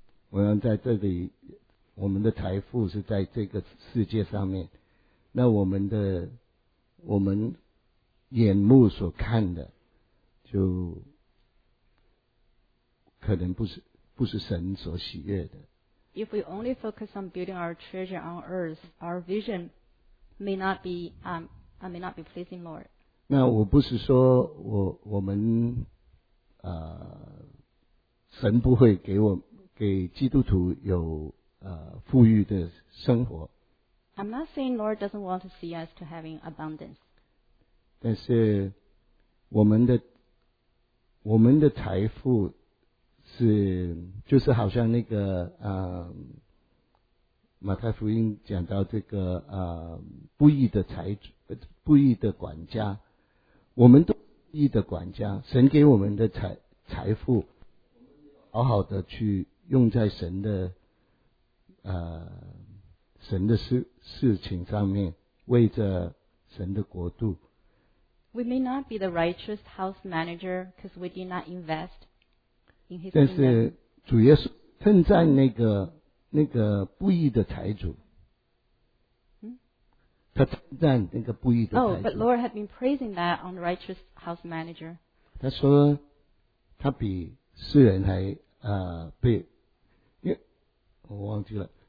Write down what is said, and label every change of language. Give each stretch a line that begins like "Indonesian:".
Chinese: 我们在这里我们的财富是在这个世界上面那我们眼目所看的就可能不是神所喜悦的
English: If we only focus on building our treasure on earth our vision may not be I may not be pleasing Lord.
Chinese: 那我不是说我们神不会给我给基督徒有富裕的生活。
English: I'm not saying Lord doesn't want to see us to having abundance.
Chinese: 但是我们的财富是就是好像那个马太福音讲到这个不义的财主不义的管家，我们都不义的管家，神给我们的财富好好的去用在神的神的事情上面，为着神的国度。
English: We may not be the righteous house manager because we did not invest in his kingdom.
Chinese: 但是主耶稣称赞那个不义的财主。他称赞那个不义的财主。
English: Oh, but Lord had been praising that on the righteous house manager.
Chinese: 他说他比世人还被，我忘记了。